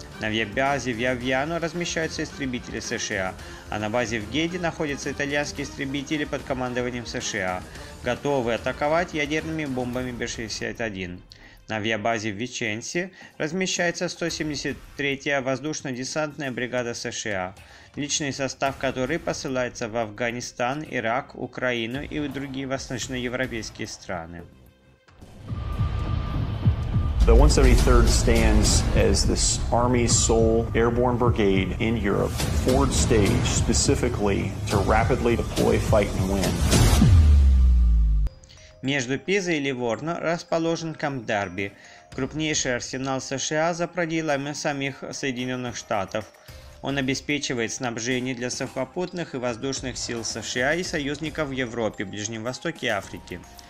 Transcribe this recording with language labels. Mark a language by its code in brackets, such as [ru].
[ru] На авиабазе в Авьяно размещаются истребители США, а на базе в Геде находятся итальянские истребители под командованием США, готовые атаковать ядерными бомбами Б-61. На авиабазе в Виченце размещается 173-я воздушно-десантная бригада США, личный состав которой посылается в Афганистан, Ирак, Украину и в другие восточноевропейские страны. [en] The 173rd stands as this Army's sole airborne brigade in Europe, forward stage specifically to rapidly deploy, fight and win. [ru] Между Пизой и Ливорно расположен Камп Дарби, крупнейший арсенал США за пределами самих Соединенных Штатов. Он обеспечивает снабжение для сухопутных и воздушных сил США и союзников в Европе, Ближнем Востоке и Африке.